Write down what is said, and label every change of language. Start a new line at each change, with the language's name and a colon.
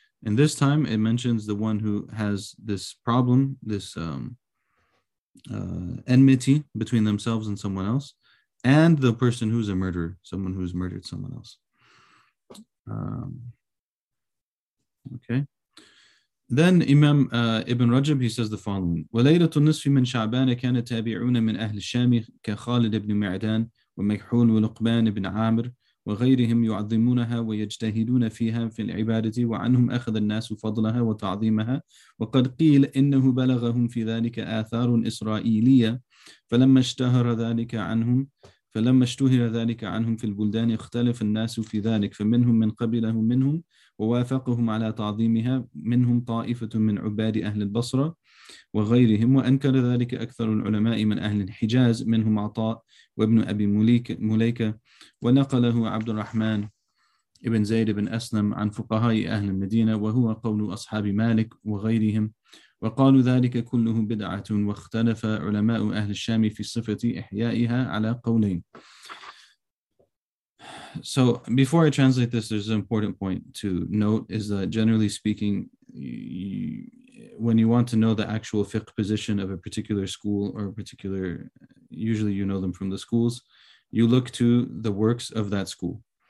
English: And this time it mentions the one who has this problem, this enmity between themselves and someone else, and the person who's a murderer, someone who's murdered someone else. Then Imam Ibn Rajab, he says the following:
Arabic: وَلَيْلَةُ النِّصْفِ مِنْ شَعْبَانَ كَانَ تَابِعُونَ مِنْ أَهْلِ الشَّامِ كَخَالِدِ بْنِ مِعْدَانِ وَمَكْحُولِ وَلُقْبَانِ بْنِ عَامِرِ وغيرهم يعظمونها ويجتهدون فيها في العبادة وعنهم أخذ الناس فضلها وتعظيمها وقد قيل إنه بلغهم في ذلك آثار إسرائيلية فلما اشتهر ذلك عنهم في البلدان اختلف الناس في ذلك فمنهم من قبلهم منهم ووافقهم على تعظيمها منهم طائفة من عباد أهل البصرة وغيرهم وأنكر ذلك أكثر العلماء من أهل الحجاز منهم عطاء وابن أبي مليكة ونقله عبد الرحمن ابن زيد بن أسلم عن فقهاء أهل المدينة وهو قول أصحاب مالك وغيرهم وقالوا ذلك كله بدعة واختلف علماء أهل الشام في صفة إحيائها على قولين.
English: So before I translate this, there's an important point to note, is that generally speaking, when you want to know the actual fiqh position of a particular school or a particular, usually you know them from the schools, you look to the works of that school.